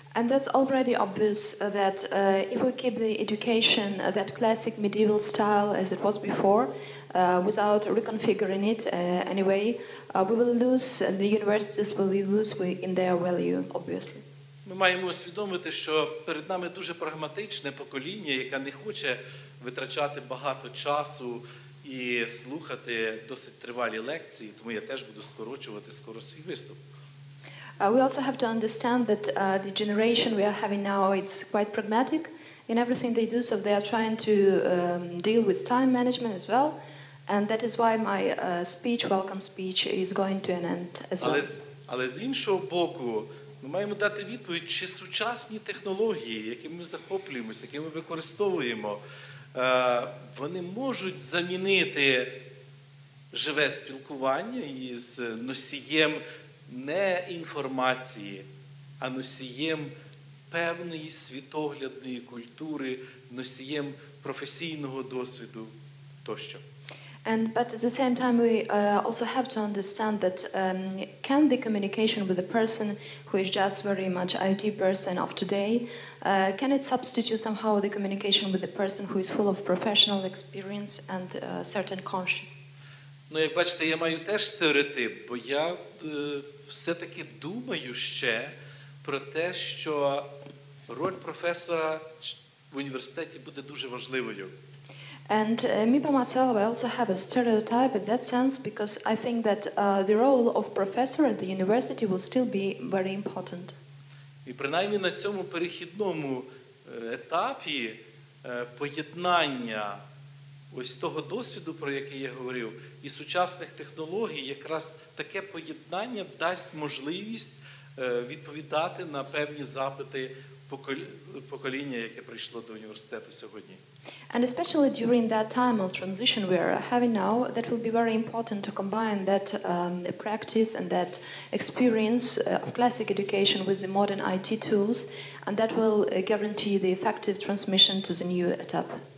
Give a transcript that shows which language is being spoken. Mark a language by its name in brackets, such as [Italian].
[English] And that's already obvious that if we keep the education that classic medieval style as it was before, without reconfiguring it anyway, we will lose, the universities will lose in their value, obviously. [Ukrainian] Ми маємо усвідомити, що перед нами дуже прагматичне покоління, яке не хоче витрачати багато часу і слухати досить тривалі лекції, тому я теж буду скорочувати скоро свій виступ. [English] We also have to understand that the generation we are having now is quite pragmatic in everything they do, so they are trying to deal with time management as well, and that is why my speech, welcome speech, is going to an end as well. [Ukrainian] Але з іншого боку, ми маємо дати відповідь, чи сучасні технології, якими ми захоплюємося, якими ми використовуємо, вони можуть замінити живе спілкування із носієм не інформації, а носієм певної світоглядної культури, носієм професійного досвіду тощо. [English] And but at the same time we also have to understand that can the communication with a person who is just very much IT person of today can it substitute somehow the communication with a person who is full of professional experience and certain conscience? [Ukrainian] Ну, як бачите, я маю теж стереотип, бо я все-таки думаю ще про те, що роль професора в університеті буде дуже важливою. [English] And me by myself, I also have a stereotype in that sense, because I think that the role of professor at the university will still be very important. [Ukrainian] І принаймні на цьому перехідному етапі поєднання ось того досвіду, про який я говорив, і сучасних технологій, якраз таке поєднання дасть можливість відповідати на певні запити покоління, яке прийшло до університету сьогодні. [English] And especially during that time of transition we are having now, that will be very important to combine that practice and that experience of classic education with the modern IT tools, and that will guarantee the effective transmission to the new etap.